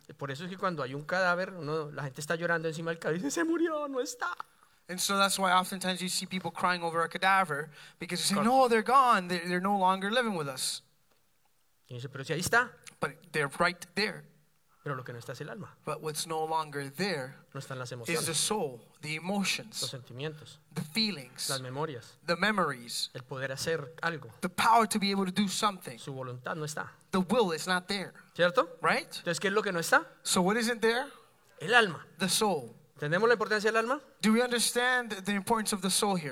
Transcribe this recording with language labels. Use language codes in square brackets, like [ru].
[es] Y por eso es que cuando hay un cadáver, la gente está llorando encima del cadáver y dice, se murió, no está. [en] And so that's why oftentimes you see people crying over a cadaver because they say, no, they're gone. They're no longer living with us. [es] Y dice, pero si ahí está. [en] But they're right there. [es] Pero lo que no está es el alma. [en] But what's no longer there [es] no están las emociones. [en] Is the soul, the emotions, [es] los sentimientos, [en] the feelings, [es] las memorias, [en] the memories, [es] el poder hacer algo, [en] the power to be able to do something. [es] Su voluntad no está. [en] The will is not there. [es] ¿Cierto? [en] Right? [es] Entonces, ¿qué es lo que no está? [en] So what isn't there? [es] El alma. [en] The soul. [es] ¿Entendemos la importancia del alma? [en] Do we understand the importance of the soul here?